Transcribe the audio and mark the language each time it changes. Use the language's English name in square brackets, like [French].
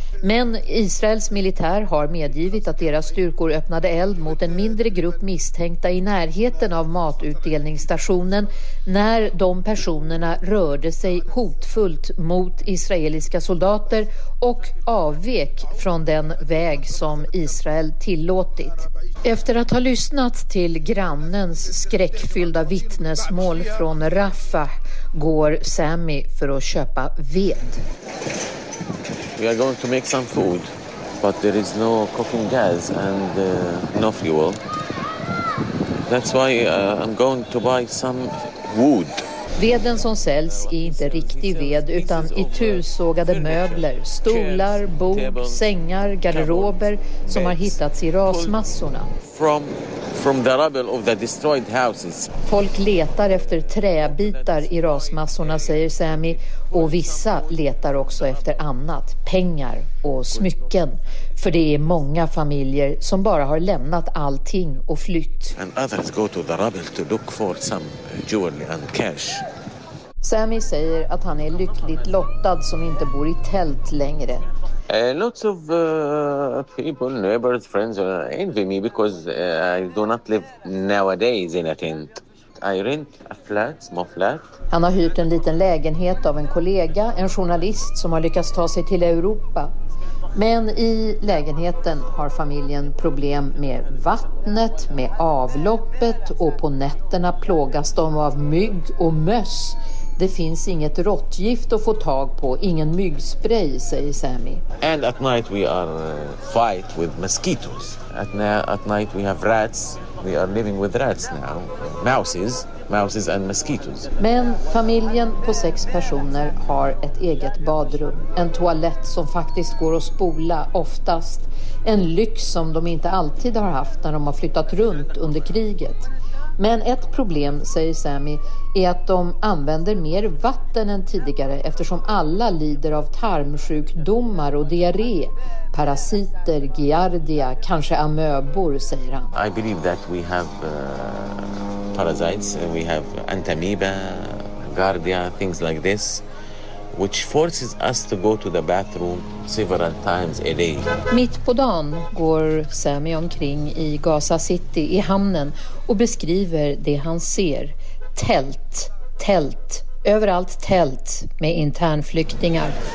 [Swedish] Men Israels militär har medgivit att deras styrkor öppnade eld mot en mindre grupp misstänkta i närheten av matutdelningsstationen när de personerna rörde sig hotfullt mot israeliska soldater och avvek från den väg som Israel tillåtit. Efter att ha lyssnat till grannens skräckfyllda vittnesmål från Rafah går Sami för att köpa ved. [English] We are going to make some food, but there is no cooking gas and no fuel. That's why I'm going to buy some wood. [Swedish] Veden som säljs är inte riktig ved utan i tusågade möbler, stolar, bord, sängar, garderober som har hittats i rasmassorna. [English] From the rubble of the destroyed houses. [Swedish] Folk letar efter träbitar i rasmassorna, säger Sammy, och vissa letar också efter annat, pengar och smycken, för det är många familjer som bara har lämnat allting och flytt. [English] And others go to the rubble to look for some jewelry and cash. [Swedish] Sammy säger att han är lyckligt lottad som inte bor i tält längre. [English] Lots of people, neighbors, friends envy me because I do not live nowadays in a tent. I rent a flat, small flat. [Swedish] Han har hyrt en liten lägenhet av en kollega, en journalist som har lyckats ta sig till Europa. Men i lägenheten har familjen problem med vattnet, med avloppet, och på nätterna plågas de av mygg och möss. Det finns inget råttgift att få tag på, ingen myggspray, säger Sammy. [English] And at night we are fight with mosquitoes. At night we have rats. We are living with rats now. Mouses and mosquitoes. [Swedish] Men familjen på 6 personer har ett eget badrum, en toalett som faktiskt går att spola oftast, en lyx som de inte alltid har haft när de har flyttat runt under kriget. Men ett problem, säger Sammy, är att de använder mer vatten än tidigare eftersom alla lider av tarmsjukdomar och diarré, parasiter, giardia, kanske amöbor, säger han. [English] I believe that we have parasites, we have entamoeba, giardia, things like this, which forces us to go to the bathroom several times a day. [Swedish] Mitt på dagen går Sammy omkring i Gaza City i hamnen och beskriver det han ser. Tält, överallt tält med internflyktingar.